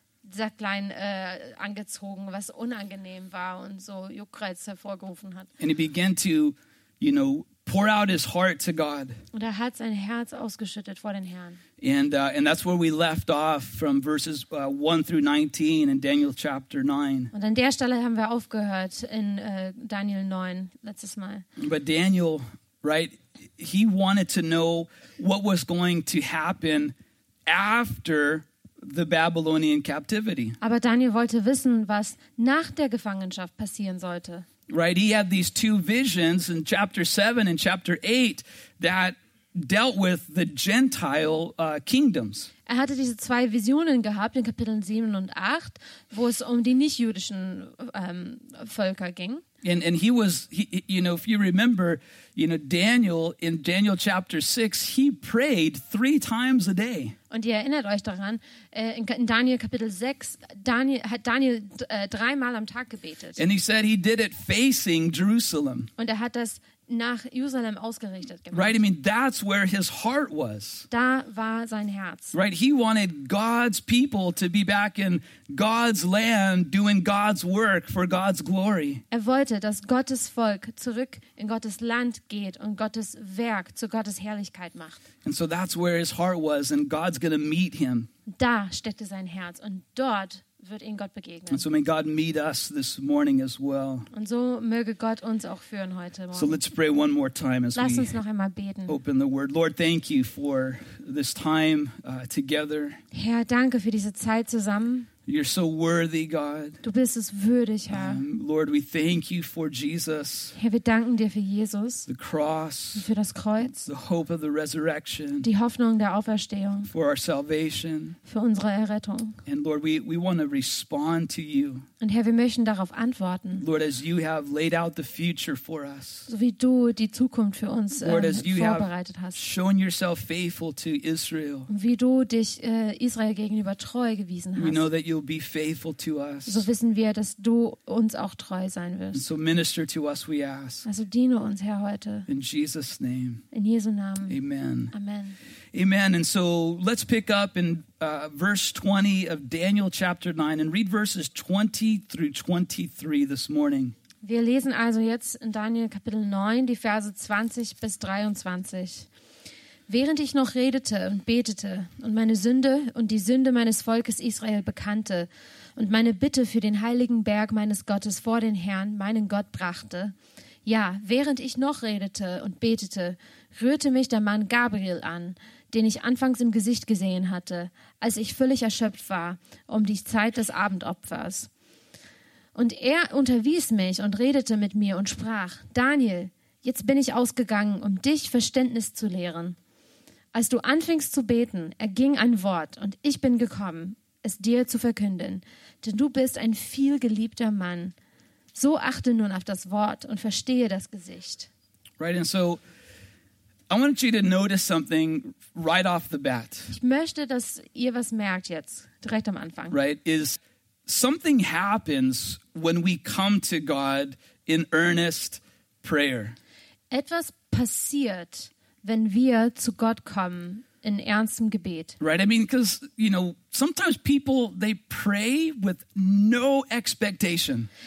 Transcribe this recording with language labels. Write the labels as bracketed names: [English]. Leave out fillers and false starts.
[German] Sacklein angezogen, was unangenehm war und so Juckreiz hervorgerufen hat. [English] And he began to, you know, pour out his heart to God. [German] Und er hat sein Herz ausgeschüttet vor den Herrn. [English] And that's where we left off from verses 1 through 19 in Daniel chapter 9. [German] Und an der Stelle haben wir aufgehört in Daniel 9 letztes Mal. [English] But Daniel, right, he wanted to know what was going to happen after the Babylonian captivity. [German] Aber Daniel wollte wissen, was nach der Gefangenschaft passieren sollte. [English] right? He had these two visions in chapter 7 and chapter 8 that dealt with the Gentile kingdoms. [German] Er hatte diese zwei Visionen gehabt in Kapiteln 7 und 8, wo es um die nicht-jüdischen Völker ging. [English] And he was, you know, if you remember, you know, Daniel, in Daniel chapter 6, he prayed 3 times a day. [German] Und ihr erinnert euch daran, in Daniel Kapitel 6, hat Daniel dreimal am Tag gebetet. [English] And he said he did it facing Jerusalem. [German] Und er hat das nach Jerusalem ausgerichtet gemacht. [English] Right, I mean, that's where his heart was. [German] Da war sein Herz. [English] Right, he wanted God's people to be back in God's land doing God's work for God's glory. [German] Er wollte, dass Gottes Volk zurück in Gottes Land geht und Gottes Werk zu Gottes Herrlichkeit macht. [English] And so that's where his heart was, and God's going to meet him. [German] Da steckte sein Herz und dort wird ihn Gott begegnen. [English] And so may God meet us this morning as well. [German] Und so möge Gott uns auch führen heute Morgen. [English] So let's pray one more time as [German] Lass [English] we [German] uns noch einmal beten. [English] Open the word. Lord, thank you for this time together. [German] Herr, danke für diese Zeit zusammen. [English] You're so worthy, God. [German] Du bist es würdig, Herr. [English] Lord, we thank you for Jesus. [German] Herr, wir danken dir für Jesus. [English] The cross. [German] Für das Kreuz. [English] The hope of the resurrection. [German] Die Hoffnung der Auferstehung. [English] For our salvation. [German] Für unsere Errettung. [English] And Lord, we want to respond to you. [German] Und Herr, wir möchten darauf antworten. [English] Lord, as you have laid out the future for us. [German] So wie du die Zukunft für uns [English] Lord, as you [German] vorbereitet [English] have [German] hast. [English] Shown yourself faithful to Israel. [German] Und wie du dich Israel gegenüber treu gewiesen hast. [English] We know that you'll be faithful to us. [German] So wissen wir, dass du uns auch treu sein wirst. [English] And so minister to us, we ask. [German] Also diene uns, Herr, heute. [English] In Jesus' name. [German] In Jesu Namen. [English] Amen. [German] Amen. Amen. [English] And so let's pick up in verse 20 of Daniel chapter 9 and read verses 20 through 23 this morning. [German] Wir lesen also jetzt in Daniel Kapitel 9 die Verse 20 bis 23. Während ich noch redete und betete und meine Sünde und die Sünde meines Volkes Israel bekannte und meine Bitte für den heiligen Berg meines Gottes vor den Herrn, meinen Gott, brachte, ja, während ich noch redete und betete, rührte mich der Mann Gabriel an, den ich anfangs im Gesicht gesehen hatte, als ich völlig erschöpft war um die Zeit des Abendopfers. Und er unterwies mich und redete mit mir und sprach, Daniel, jetzt bin ich ausgegangen, um dich Verständnis zu lehren. Als du anfingst zu beten, erging ein Wort und ich bin gekommen, es dir zu verkünden, denn du bist ein vielgeliebter Mann. So achte nun auf das Wort und verstehe das Gesicht. [English] Right, and so I want you to notice something right off the bat. [German] Ich möchte, dass ihr was merkt jetzt, direkt am Anfang. [English] Right, is something happens when we come to God in earnest prayer. [German] Etwas passiert, wenn wir zu Gott kommen in ernstem Gebet. [English] Right, I mean, because, you know, sometimes people, they pray with no expectation.